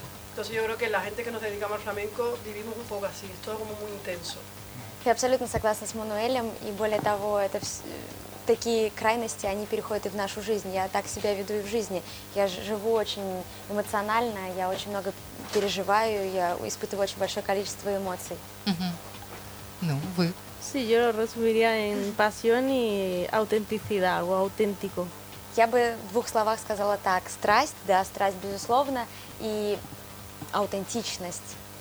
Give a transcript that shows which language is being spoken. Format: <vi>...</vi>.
<es>Entonces yo creo que la gente que nos dedicamos al flamenco vivimos un poco así. Es todo como muy intenso.</es> <ru>Я абсолютно согласна с Мануэлем, и более того, это такие крайности, они переходят и в нашу жизнь. Я так себя веду и в жизни. Я живу очень эмоционально, я очень много переживаю, я испытываю очень большое количество эмоций. Ну, вы?</ru> <es>Sí, yo lo resumiría en pasión y autenticidad o auténtico.</es> <ru>Я бы в двух словах сказала так: страсть, да, страсть безусловно, и аутентичность.</ru>